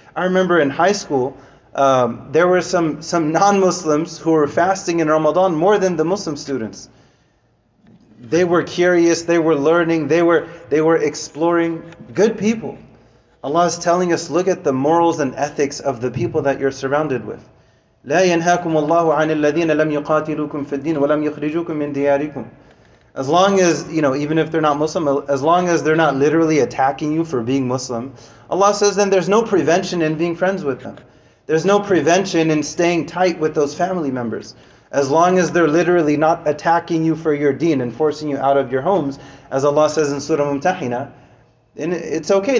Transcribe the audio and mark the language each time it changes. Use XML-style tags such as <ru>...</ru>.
<en>I remember in high school, there were some non-Muslims who were fasting in Ramadan more than the Muslim students. They were curious, they were learning, they were exploring, good people. Allah is telling us, look at the morals and ethics of the people that you're surrounded with.</en> <ar>لا ينهاكم الله عن الذين لم يقاتلوكم في الدين ولم يخرجوكم من دياركم.</ar> <en>As long as, you know, even if they're not Muslim, as long as they're not literally attacking you for being Muslim, Allah says then there's no prevention in being friends with them. There's no prevention in staying tight with those family members. As long as they're literally not attacking you for your deen and forcing you out of your homes, as Allah says in Surah Mumtahina, then it's okay.</en>